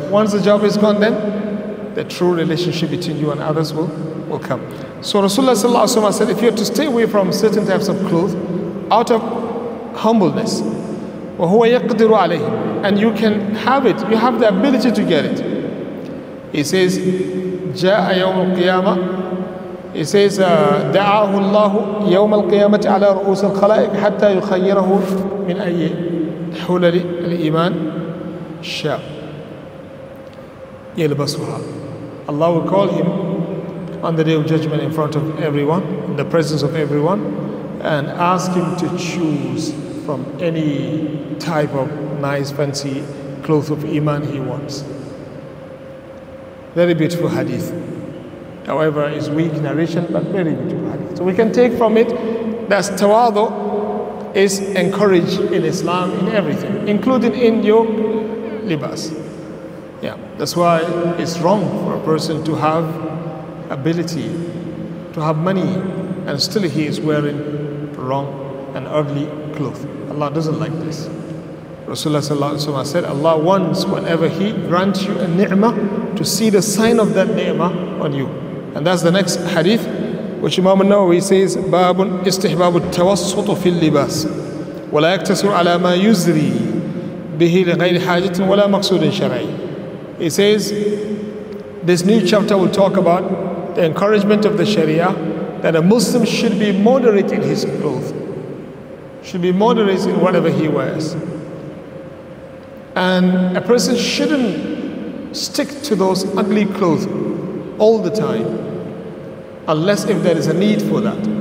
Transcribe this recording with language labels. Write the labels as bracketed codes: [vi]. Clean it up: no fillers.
[en] Once the job is gone, then the true relationship between you and others will come. So Rasulullah sallallahu alaihi wasallam said, if you have to stay away from certain types of clothes out of humbleness, [ar] وَهُوَ يَقْدِرُ عَلَيْهِمْ, [en] and you can have it, you have the ability to get it. He says, [ar] جَاءَ يَوْمُ الْقِيَامَةِ, [en] he says, [ar] دَعَاهُ اللَّهُ يَوْمَ الْقِيَامَةِ عَلَى رُؤُوسِ الْخَلَائِقِ حَتَّى يُخَيِّرَهُ مِنْ أَيِّ حُلَلِ الْإِيمَانِ شَاءَ يَلْبَسُهَا. [en] Allah will call him on the day of judgment in front of everyone, in the presence of everyone, and ask him to choose from any type of nice fancy cloth of iman he wants. Very beautiful hadith. However, it's weak narration, but very beautiful hadith. So we can take from it that tawadu is encouraged in Islam in everything, including in your libas. Yeah, that's why it's wrong for a person to have ability, to have money, and still he is wearing wrong and ugly clothes. Allah doesn't like this. Rasulullah sallallahu alaihi wasallam said, Allah wants whenever He grants you a ni'mah to see the sign of that ni'mah on you. And that's the next hadith, which Imam an-Nawawi says, [ar] بَابٌ إِسْتِحْبَابُ التَّوَسُّطُ فِي اللِّبَاسِ وَلَا يَكْتَسِرُ عَلَى مَا يُزْرِي بِهِ لِغَيْرِ حَاجَةٍ وَلَا مَقْصُودٍ شَرَعِيٍ. [en] He says, this new chapter will talk about the encouragement of the Sharia that a Muslim should be moderate in his clothes, should be moderate in whatever he wears. And a person shouldn't stick to those ugly clothes all the time, unless if there is a need for that.